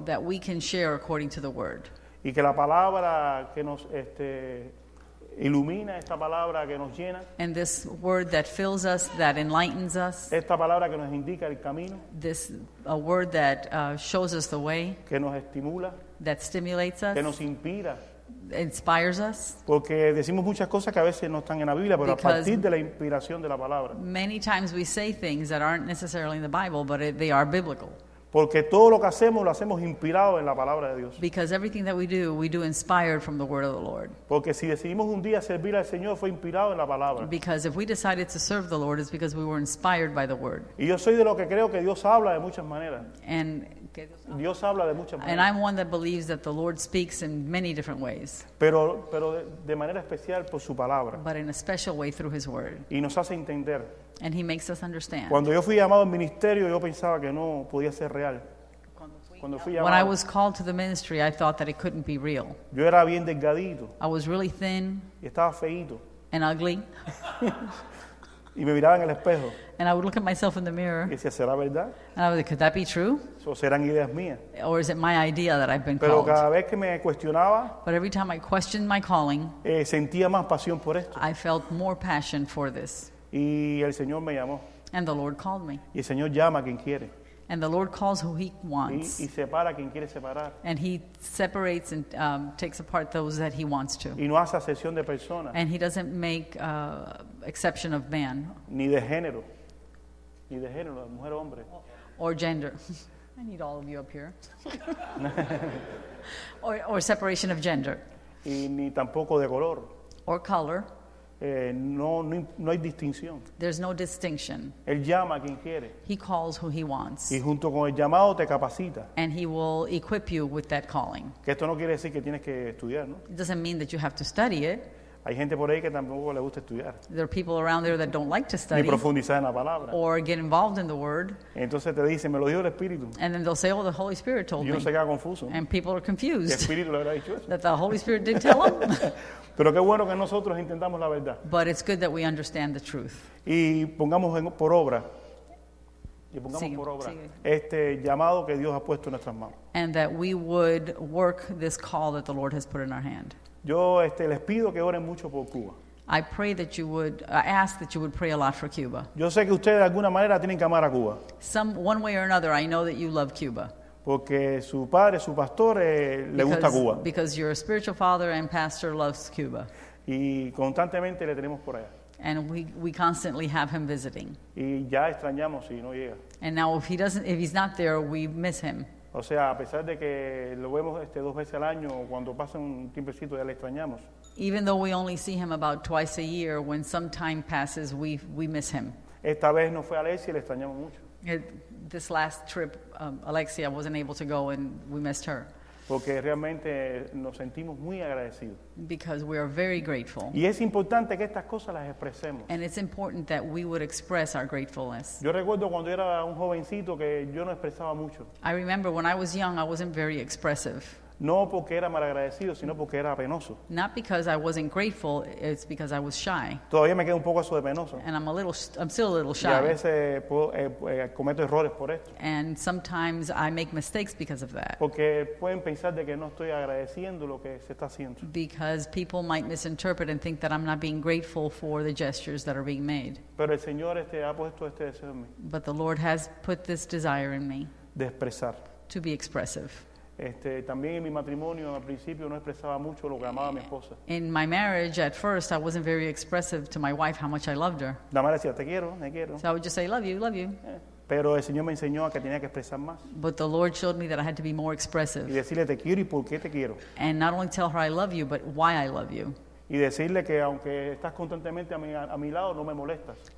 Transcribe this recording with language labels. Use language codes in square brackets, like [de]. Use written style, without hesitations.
[en] That we can share according to the word. [es] Y que la palabra que nos ilumina, esta palabra que nos llena. [en] And this word that fills us, that enlightens us. [es] Esta palabra que nos indica el camino. [en] This a word that shows us the way. [es] Que nos estimula. [en] That stimulates us. [es] Que nos inspira. [en] Inspires us. [es] Porque decimos muchas cosas que a veces no están en la Biblia, pero [en] because [es] a partir de la inspiración de la palabra. [en] Many times we say things that aren't necessarily in the Bible, but they are biblical. [es] Porque todo lo hacemos inspirado en la palabra de Dios. [en] Because everything that we do inspired from the word of the Lord. [es] Porque si decidimos un día servir al Señor, fue inspirado en la palabra. [en] Because if we decided to serve the Lord, it's because we were inspired by the word. [es] Y yo soy de lo que creo que Dios habla de muchas maneras. [en] And [es] Dios habla de muchas maneras. [en] And I'm one that believes that the Lord speaks in many different ways. [es] Pero de manera especial por su palabra. [en] But in a special way through his word. [es] Y nos hace entender. [en] And he makes us understand. [es] Cuando yo fui llamado al ministerio, yo pensaba que no podía ser real. [en] When I was called to the ministry, I thought that it couldn't be real. [es] Yo era bien delgadito. [en] I was really thin. [es] Y estaba feíto. [en] And ugly. [es] Y me miraba en el espejo. [en] And I would look at myself in the mirror. [es] Y decía, ¿será verdad? [en] And I would say, could that be true? [es] So, ¿serán ideas mías? [en] Or is it my idea that I've been [es] Pero [en] called? [es] Cada vez que me cuestionaba, [en] but every time I questioned my calling, [es] sentía más pasión por esto. [en] I felt more passion for this. [es] Y el Señor me llamó. [en] And the Lord called me. [es] Y el Señor llama a quien quiere. [en] And the Lord calls who he wants. [es] Y separa quien quiere separar. [en] And he separates and takes apart those that he wants to. [es] Y no hace excepción de persona. [en] And he doesn't make exception of man. [es] Ni de género. Ni de género, mujer o hombre. [en] Or gender. I need all of you up here. or separation of gender. [es] Y ni tampoco de color. [en] Or color. [es] No hay distinción. [en] There's no distinction. [es] Él llama a quien quiere. [en] He calls who he wants. [es] Y junto con el llamado te capacita. [en] And he will equip you with that calling. [es] Que esto no quiere decir que tienes que estudiar, ¿no? [en] It doesn't mean that you have to study it. [es] Hay gente por ahí que tampoco le gusta estudiar. [en] There are people around there that don't like to study. [es] Ni profundizar en la palabra. [en] Or get involved in the word. [es] Entonces te dicen, me lo dijo el Espíritu. [en] And then they'll say, oh, the Holy Spirit told [es] me. Y uno [en] me. [es] Se queda confuso. [en] And people are confused. [es] ¿El Espíritu le habrá dicho eso? [en] That the Holy Spirit didn't tell them. [es] Pero qué bueno que nosotros entendamos la verdad. [en] But it's good that we understand the truth. [es] Y pongamos por obra. Y pongamos sigue, por obra sigue. Este llamado que Dios ha puesto en nuestras manos. [en] And that we would work this call that the Lord has put in our hand. [es] Yo les pido que oren mucho por Cuba. [en] I pray that you would ask that you would pray a lot for Cuba. [es] Yo sé que ustedes de alguna manera tienen que amar a Cuba. [en] Some one way or another, I know that you love Cuba. [es] Porque su padre, su pastor, le gusta Cuba. [en] Because your spiritual father and pastor loves Cuba. [es] Y constantemente le tenemos por allá. [en] And we constantly have him visiting. [es] Y ya extrañamos si no llega. [en] And now if he's not there, we miss him. [es] O sea, a pesar de que lo vemos dos veces al año, cuando pasa un tiempecito ya le extrañamos. [en] Even though we only see him about twice a year, when some time passes, we miss him. [es] Esta vez no fue Alexia y le extrañamos mucho. [en] This last trip, Alexia wasn't able to go and we missed her. [es] Porque realmente nos sentimos muy agradecidos. [en] Because we are very grateful. [es] Y es importante que estas cosas las expresemos. [en] And it's important that we would express our gratefulness. [es] Yo recuerdo cuando era un jovencito que yo no expresaba mucho. [en] I remember when I was young, I wasn't very expressive. [es] No porque era malagradecido, sino porque era penoso. [en] Not because I wasn't grateful, it's because I was shy. [es] Todavía me queda un poco eso de penoso. [en] And I'm still a little shy. [es] Y a veces cometo errores por esto. [en] And sometimes I make mistakes because of that. [es] Porque pueden pensar de que no estoy agradeciendo lo que se está haciendo. [en] Because people might misinterpret and think that I'm not being grateful for the gestures that are being made. [es] Pero el Señor ha puesto este deseo en mí. [en] But the Lord has put this desire in me. [es] De expresar. [en] To be expressive. [es] También en mi matrimonio al principio no expresaba mucho lo que amaba a mi esposa. [en] In my marriage at first I wasn't very expressive to my wife how much I loved her. [es] La madre decía, te quiero, te quiero. [en] So I would just say love you. [es] Pero el Señor me enseñó a que tenía que expresar más. [en] But the Lord showed me that I had to be more expressive. [es] Y decirle te quiero y por qué te quiero. [en] And not only tell her I love you but why I love you. [es] Y decirle que aunque estás constantemente a mi lado no me molestas.